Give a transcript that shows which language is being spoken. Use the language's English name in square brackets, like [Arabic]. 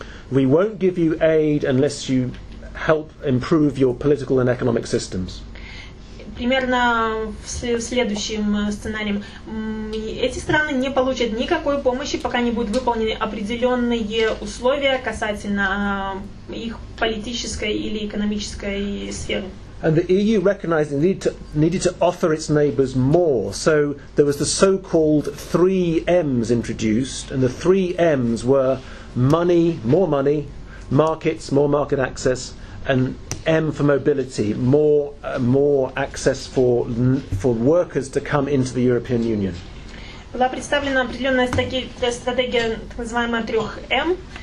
[English] We won't give you aid unless you help improve your political and economic systems. [Russian] Примерно в следующем сценарии эти страны не получат никакой помощи, пока не будут выполнены определенные условия касательно их политической или экономической сферы. [English] And the EU recognized it needed to offer its neighbors more. So there was the so-called 3 M's introduced, and the 3 M's were money, more money, markets, more market access, and M for mobility, more access for workers to come into the European Union. [Russian] Была представлена определенная стратегия, так называемая 3 M.